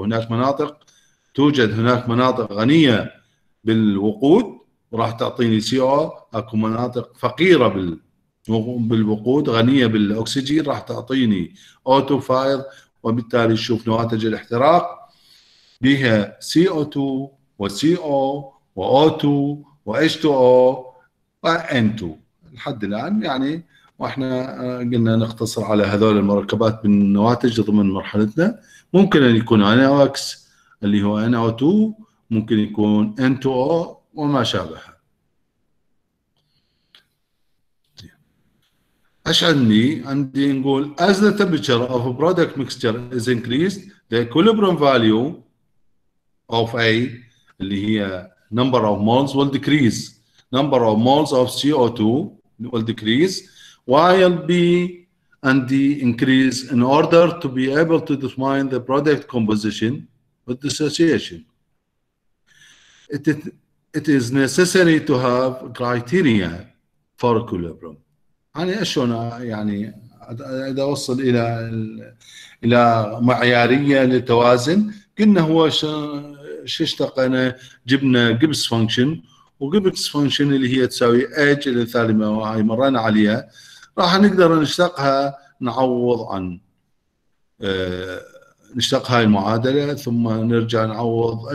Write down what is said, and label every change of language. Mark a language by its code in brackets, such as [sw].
[ar] مناطق توجد هناك مناطق غنية بالوقود وراح تعطيني CO، أكو مناطق فقيرة بالوقود غنية بالأكسجين راح تعطيني O2 فائض، وبالتالي تشوف نواتج الاحتراق بها CO2 وCO وO2 وH2O وN2 لحد الآن يعني. وإحنا قلنا نختصر على هذول المركبات بالنواتج ضمن مرحلتنا، ممكن أن يكون NOx اللي هو NO2، ممكن يكون N2O وما شابه. أشعني عندي نقول [en] as the temperature of a product mixture is increased the equilibrium value of A [ar] اللي هي [en] number of moles will decrease, number of moles of CO2 will decrease while B and D increase in order to be able to define the product composition with dissociation. It is necessary to have criteria for equilibrium. [ar] يعني ايش انا يعني اذا اوصل الى معيارية للتوازن؟ قلنا هو شو اشتقنا؟ جبنا جيبس فانكشن، وجيبس فانكشن اللي هي تساوي H اللي ثالما هاي مرينا عليها، راح نقدر نشتقها نعوض عن نشتق هاي المعادلة ثم نرجع نعوض.